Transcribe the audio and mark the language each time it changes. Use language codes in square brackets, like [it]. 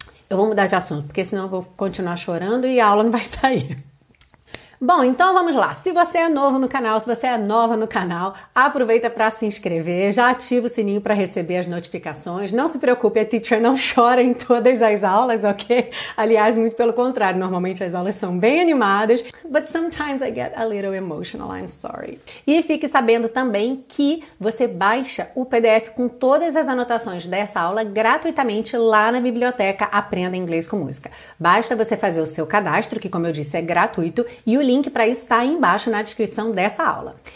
[pt] Eu vou mudar de assunto, porque senão eu vou continuar chorando e a aula não vai sair. Bom, então vamos lá. Se você é novo no canal, se você é nova no canal, aproveita para se inscrever, já ativa o sininho para receber as notificações. Não se preocupe, a teacher não chora em todas as aulas, ok? Aliás, muito pelo contrário, normalmente as aulas são bem animadas. [en] But sometimes I get a little emotional, I'm sorry. [pt] E fique sabendo também que você baixa o PDF com todas as anotações dessa aula gratuitamente lá na biblioteca Aprenda Inglês com Música. Basta você fazer o seu cadastro, que como eu disse, é gratuito, e o link para isso está aí embaixo na descrição dessa aula.